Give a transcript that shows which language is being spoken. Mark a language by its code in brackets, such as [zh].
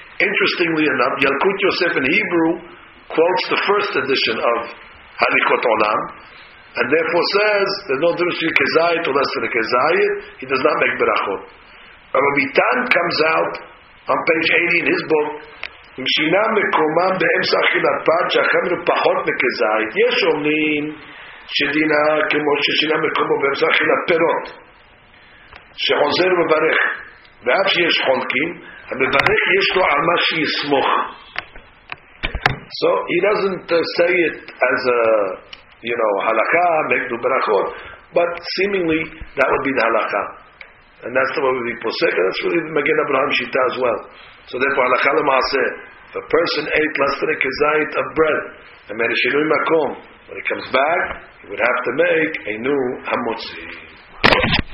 [en] Interestingly enough, Yalkut Yosef in Hebrew quotes the first edition of Halichot Olam, and therefore says, there's no difference between Kezayit or less than a Kezayit, he does not make Berachot. Rabbi Tan comes out on page 80 in his book, [he] משינה מקומם באמצע אכילת פת שאכן הוא פחות מכזית. יש אומרים שדינה כמו ששינה מקומו באמצע אכילת פירות שעוזר ומברך, ואף שיש חולקים המברך יש לו על מה שיסמוך. [en] So he doesn't say it as a, you know, [he] הלכה מקדו ברכות, [en] but seemingly that would be the הלכה, and that's the way we posek, and that's really the מגן אברהם שיטה as well. So therefore הלכה למעשה, if a person ate less than a kezayit of bread and made a shinui makom, when he comes back, he would have to make a new hamotzi.